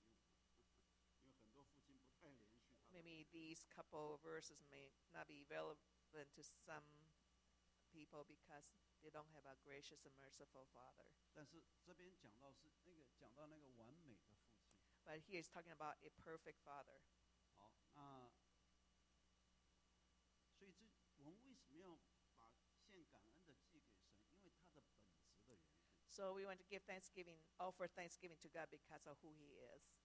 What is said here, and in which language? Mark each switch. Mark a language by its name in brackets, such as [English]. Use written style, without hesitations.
[Chinese] 这句话对有些人好像就不太管用，因为很多父亲不太连续他的儿女。 [English] Maybe these couple of verses may not be relevant to some people because they don't have a gracious and merciful father. [Chinese] 但是这边讲到是那个完美的父亲。 [English] But here he's talking about a perfect father. [Chinese] 好，那所以这我们为什么要把献感恩的祭给神？因为他的本质的原因。 [English] So we want to give thanksgiving, offer thanksgiving to God because of who He is.